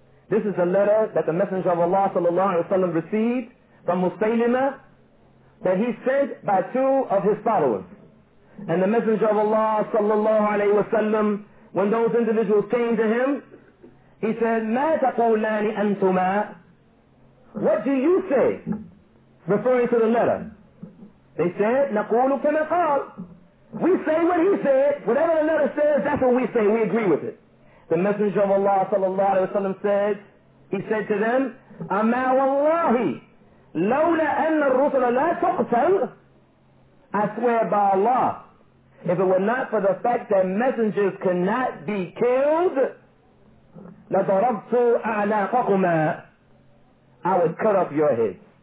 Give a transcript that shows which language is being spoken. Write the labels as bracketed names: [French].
[English] This is a letter that the Messenger of Allah sallallahu alayhi wa sallam received from Musaylimah that he sent by two of his followers. And the Messenger of Allah sallallahu alayhi wa sallam, when those individuals came to him, he said, [Arabic] مَا تَقُولَانِ أَنْتُمَا. [English] What do you say? Referring to the letter. They said, [Arabic] نَقُولُ كَمَا قَالُ. [English] We say what he said. Whatever the letter says, that's what we say. We agree with it. The Messenger of Allah sallallahu alayhi wa sallam said, he said to them, [Arabic] أَمَا وَاللَّهِ لَوْلَا أَنَّ الرُّسُلَ لَا تُقْتَلْ. [English] I swear by Allah, if it were not for the fact that messengers cannot be killed, [Arabic] لَضَرَبْتُ أَعْلَاقَكُمَا, [English] I would cut off your heads.